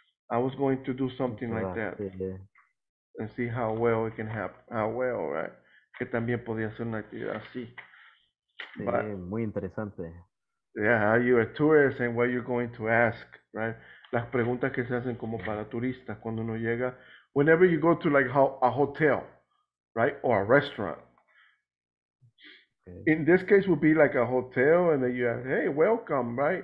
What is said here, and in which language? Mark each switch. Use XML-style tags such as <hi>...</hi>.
<en>I was going to do something like that. And see how well it can happen. How well, right?</en> <es>Que también podía ser una actividad así. But, muy interesante.</es> <en>Yeah, how you're a tourist and what you're going to ask, right?</en> <es>Las preguntas que se hacen como para turistas cuando uno llega.</es> <en>Whenever you go to like a hotel, right? Or a restaurant. Okay. In this case, would be like a hotel, and then you ask, hey, welcome, right?</en>